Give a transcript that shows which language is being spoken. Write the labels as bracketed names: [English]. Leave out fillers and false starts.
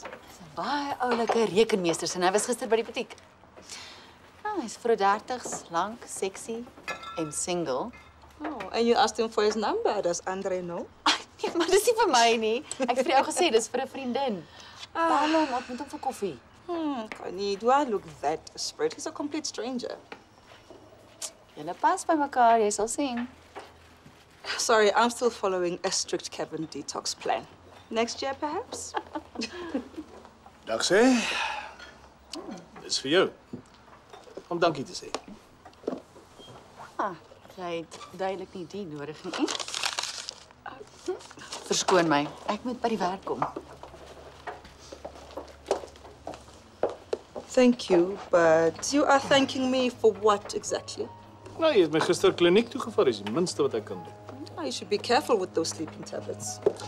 [Afrikaans] Dis 'n baie oulike rekenmeester en hy was gister by die butiek. Nou, hy's vroeg 30's, lank, seksie en single. [English] Oh, and you asked him for his number, does Andre know? [Afrikaans] Nee, maar dis nie vir my nie. Ek het vir jou gesê dis vir 'n vriendin. Hallo, wat moet hom vir koffie? [English] Connie, do I look that desperate? He's a complete stranger. [Afrikaans] Julle pas by mekaar, jy sal sien. [English] Sorry, I'm still following a strict Kevin detox plan. Next year perhaps? [Afrikaans] Dankie. Dis vir jou. Om dankie te sê. Jy het duidelik nie die nodig nie. Verskoon my. Ek moet by die werk kom. [English] Thank you, but you are thanking me for what exactly? [Afrikaans] Nou, jy het my gister kliniek toe gevat, is die minste wat ek kan doen. [English] You should be careful with those sleeping tablets.